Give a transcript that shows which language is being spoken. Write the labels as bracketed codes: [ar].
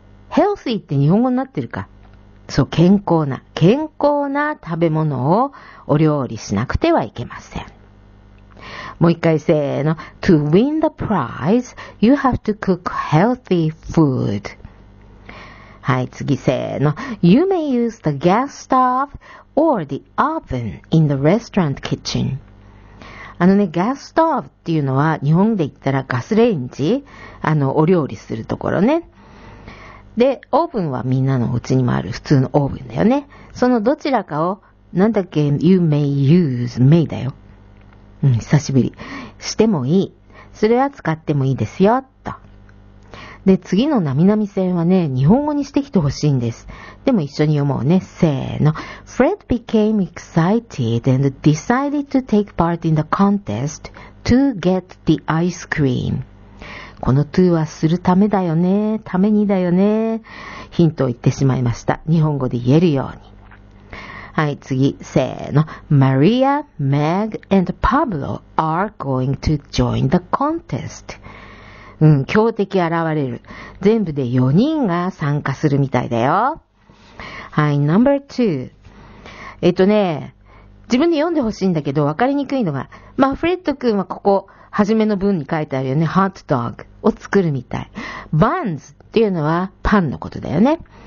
[ja] healthy って日本語になってるか。そう、健康な、健康な食べ物をお料理しなくてはいけません。もう一回せーの。 [en] to win the prize, you have to cook healthy food. [ja] はい、次せーの。 [en] you may use the gas stove or the oven in the restaurant kitchen. [ja] あのね、gas stove っていうのは日本で言ったらガスレンジ、お料理するところね。で、オーブンはみんなのお家にもある普通のオーブンだよね。そのどちらかを、なんだっけ、 [en] you may use me [ja] だよ。うん、久しぶり。してもいい。それは使ってもいいですよ、と。で、次のなみなみ線はね、日本語にしてきてほしいんです。でも一緒に読もうね。せーの。 [en] Fred became excited and decided to take part in the contest to get the ice cream. [ja] この to はするためだよね。ためにだよね。ヒントを言ってしまいました。日本語で言えるように。はい、次。せーの。 [en] Maria, Meg and Pablo are going to join the contest. [ja] うん、強敵現れる。全部で4人が参加するみたいだよ。はい、ナンバー2。自分で読んでほしいんだけど、わかりにくいのが、まあ、フレッド君はここ、初めの文に書いてあるよね。ハットドッグを作るみたい。バンズっていうのはパンのことだよね。